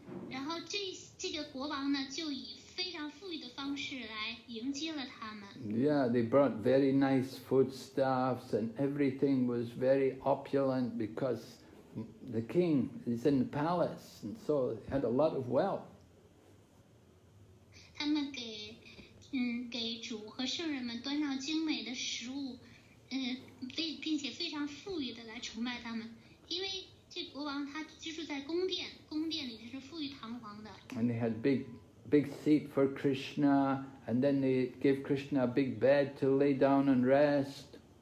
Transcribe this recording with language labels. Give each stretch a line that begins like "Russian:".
Chinese: 然后这个国王呢就以非常富裕的方式来迎接了他们。
English: Yeah, they brought very nice foodstuffs and everything was very opulent because the king is in the palace and so had a lot of wealth.
Chinese: 他们给主和圣人们端上精美的食物，并且非常富裕的来崇拜他们，因为
English: And they had big seat for Krishna, and then they gave Krishna a big bed to lay down and rest.